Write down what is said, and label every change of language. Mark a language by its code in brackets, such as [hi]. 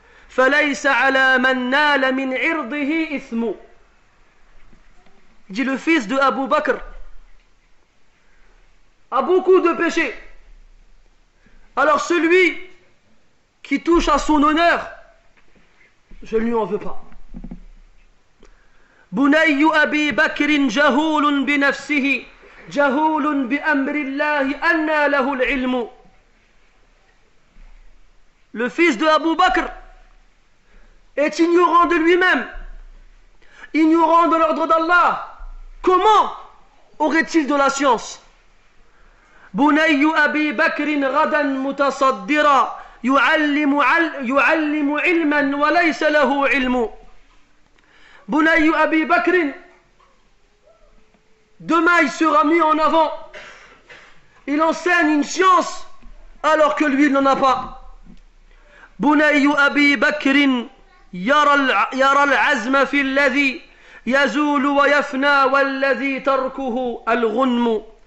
[ar] فليس على من نال من عرضه إثم. [fr] Dit le fils de Abu Bakr a beaucoup de péchés. Alors celui qui touche à son honneur, je ne lui en veux pas. [ar] بني أبي بكر جهول بنفسه جهول بأمر الله أنى له العلم. [fr] Le fils de Abu Bakr est ignorant de lui-même, ignorant de l'ordre d'Allah. Comment aurait-il de la science? [ar] بني أبي بكر غدا متصدرا يعلم علما وليس له علم. [fr] بني أبي بكر, demain il sera mis en avant. Il enseigne une science alors que lui il n'en a pas. [ar] بني أبي بكر يرى العزم في الذي يزول ويفنى والذي تركه الغنم.